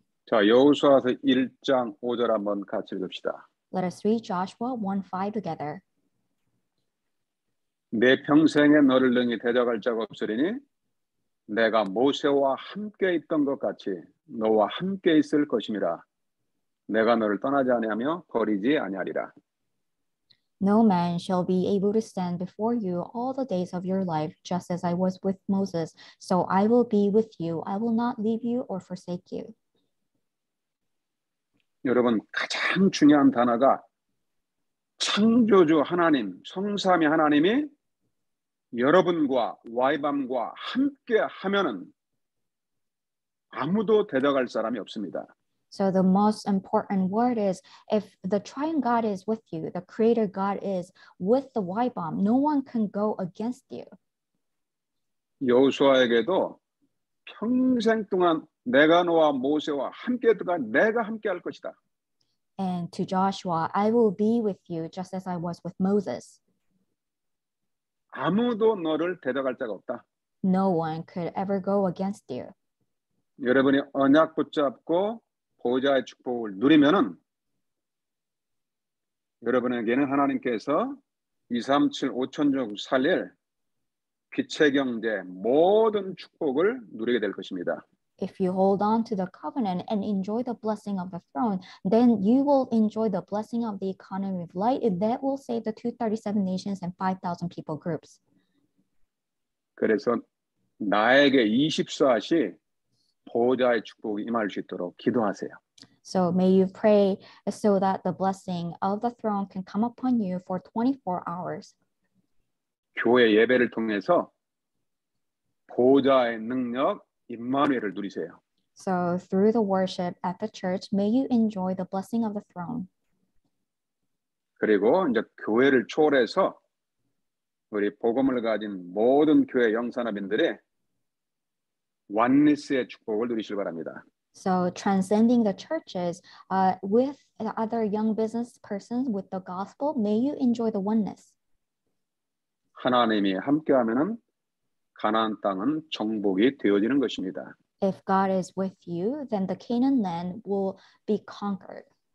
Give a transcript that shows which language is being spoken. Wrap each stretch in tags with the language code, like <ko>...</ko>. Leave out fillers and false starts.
<ko>자, 여호수아서 1장 5절 한번 같이 읽읍시다.</ko> <en>Let us read Joshua 1:5 together.</en> <ko>내 평생에 너를 능히 대적할 자가 없으리니 내가 모세와 함께 있던 것 같이 너와 함께 있을 것임이라 내가 너를 떠나지 아니하며 버리지 아니하리라.</ko> <en>No man shall be able to stand before you all the days of your life just as I was with Moses. So I will be with you. I will not leave you or forsake you.</en> <ko>여러분 가장 중요한 단어가 창조주 하나님, 성삼위 하나님이 여러분과 YBAWM과 함께 하면은 아무도 대적할 사람이 없습니다.</ko> <en>So the most important word is if the triune God is with you, the creator God is with the YBAWM, no one can go against you.</en> <ko>여호수아에게도 평생 동안 내가 너와 모세와 함께 동안 내가 함께 할 것이다.</ko> <en>And to Joshua, I will be with you just as I was with Moses.</en> <ko>아무도 너를 대적할 자가 없다.</ko> <en>No one could ever go against you.</en> <ko>여러분이 언약 붙잡고 보좌의 축복을 누리면은 여러분에게는 하나님께서 237 5천족 살릴 빛의 경제 모든 축복을 누리게 될 것입니다.</ko> <en>If you hold on to the covenant and enjoy the blessing of the throne, then you will enjoy the blessing of the economy of light that will save the 237 nations and 5,000 people groups.</en> <ko>그래서 나에게 24시 보좌의 축복이 임할 수 있도록 기도하세요.</ko> <en>So may you pray so that the blessing of the throne can come upon you for 24 hours.</en> <ko>교회 예배를 통해서 보좌의 능력 임마누엘을 누리세요.</ko> <en>So through the worship at the church, may you enjoy the blessing of the throne.</en> <ko>그리고 이제 교회를 초월해서 우리 복음을 가진 모든 교회 영산업인들의 완니스의 축복을 누리시길 바랍니다.</ko> <en>So transcending the churches with the other young business persons with the gospel, may you enjoy the oneness.</en> <ko>하나님이 함께하면은 가나안 땅은 정복이 되어지는 것입니다.</ko> <en>If God is with you, then the Canaan land will be conquered.</en>